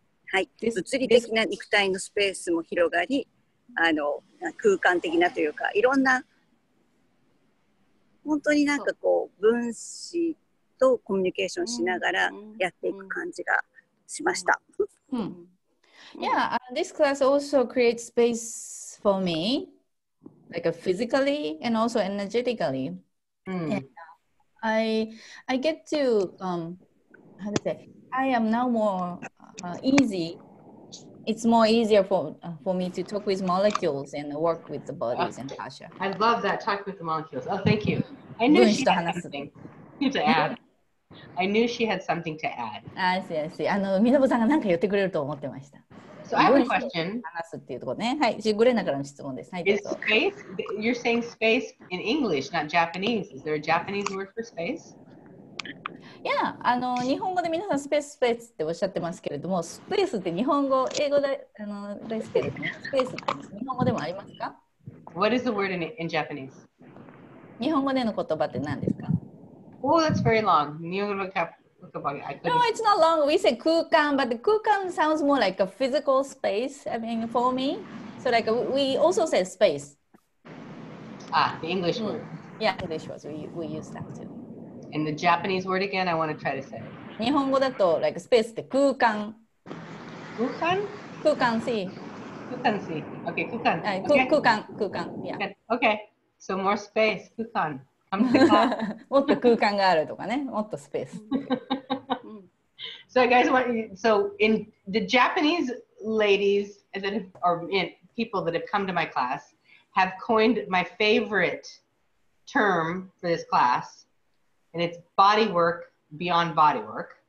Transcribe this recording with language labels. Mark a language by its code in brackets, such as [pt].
[ja] はい、物理的な肉体のスペースも広がり、あの空間的なというか、いろんな本当になんかこう分子とコミュニケーションしながらやっていく感じがしました。 [en] Yeah, this class also creates space for me, like physically and also energetically. I get to how to say, I am now more. Easy. It's more easier for me to talk with molecules and work with the bodies and fascia. I love that. Talk with the molecules. Oh, thank you. I knew she had something to add. I knew she had something to add. I see, I see. [ja] あの、みのぶさんが何か言ってくれると思ってました。 [en] So I have a question. [ja] 話すっていうところね。はい。グレナからの質問です。はい。 [en] Is space? You're saying space in English, not Japanese. Is there a Japanese word for space? [ja] いや、あの、日本語で皆さんスペーススペースっておっしゃってますけれども、スペースって日本語、英語で、あの、ですけれども、スペースって日本語でもありますか？ [en] What is the word in Japanese? [ja] 日本語での言葉って何ですか？ [en] Oh, that's very long. No, it's not long. We say 空間, but the 空間 sounds more like a physical space, I mean, for me. So like, we also say space. Ah, the English word. Yeah, English words. We use that too. And the Japanese word again, I want to try to say. [ja] 日本語だと、like, スペースって空間。空間？空間 C。空間 C。Okay, 空間。はい、空間、空間。Yeah. [en] Okay, so more space, 空間。 [ja] もっと空間があるとかね、もっとスペース。 [en] So, guys, so in the Japanese ladies that have, or people that have come to my class have coined my favorite term for this class. And it's body work beyond body work.、